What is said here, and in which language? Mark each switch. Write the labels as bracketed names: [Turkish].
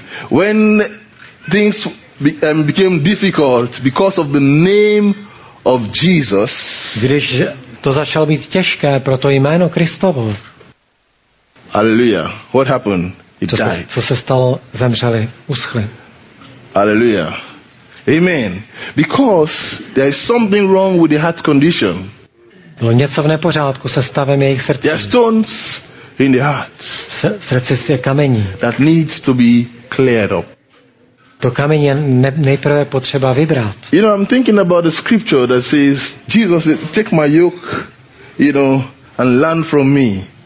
[English] When things became difficult because of the name of Jesus. [Czech] Když to začalo být těžké pro to jméno Kristovo. [English] Hallelujah. What happened? It died. [Czech] Co se stalo? Zemřeli, uschli. [English] Hallelujah. Amen. Because there is something wrong with the heart condition. [Czech] Bylo něco v nepořádku se stavem jejich srdce. [English] There are stones in the heart. [Czech] Srdce je kamení. [English] That needs to be cleared up. [Czech] To kamení nejprve potřeba vybrat. [English] You know, I'm thinking about a scripture that says, Jesus, take my yoke, you know, and learn from me.